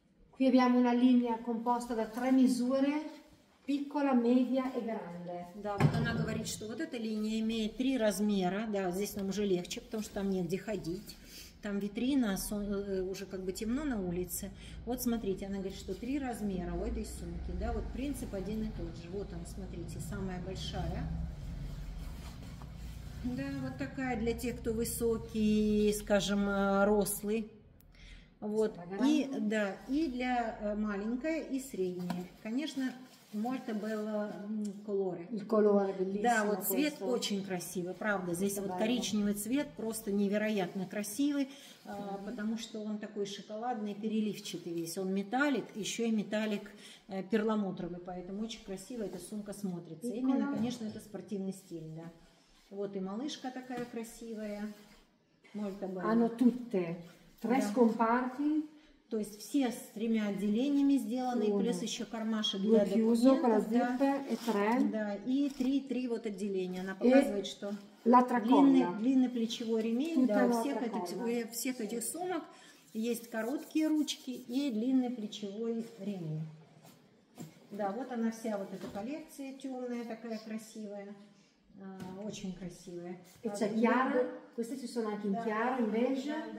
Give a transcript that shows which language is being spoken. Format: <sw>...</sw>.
<it>Qui abbiamo una linea composta da tre misure. Piccola, media e grande.</it> <ru>Да, вот она говорит, что вот эта линия имеет три размера. Да, здесь нам уже легче, потому что там негде ходить. Там витрина, уже как бы темно на улице. Вот смотрите, она говорит, что три размера у этой сумки. Да, вот принцип один и тот же. Вот она, смотрите, самая большая. Да, вот такая для тех, кто высокий, скажем, рослый. Вот. И, да, и для маленькая, и средняя.</ru> <it>Конечно, molto bello colore. Il colore bellissimo.</it> <ru>Да, вот цвет questo. Очень красивый, правда. Здесь это вот bello. Коричневый цвет просто невероятно красивый, потому что он такой шоколадный, переливчатый весь. Он металлик, еще и металлик перламутровый, поэтому очень красиво эта сумка смотрится. Именно, конечно, это спортивный стиль, да. Вот и малышка такая красивая.</ru> <it>Molto bello. Hanno tutte tre scomparti.</it> <ru>То есть все с тремя отделениями сделаны, и плюс еще кармашек для документов. Да, да, и три вот отделения. Она показывает, что длинный плечевой ремень. Да, у всех этих сумок есть короткие ручки и длинный плечевой ремень. Да, вот она вся вот эта коллекция темная, такая красивая. Очень красивая.</ru> <it>Это chiaro. Queste ci sono anche in chiaro, in beige.</it>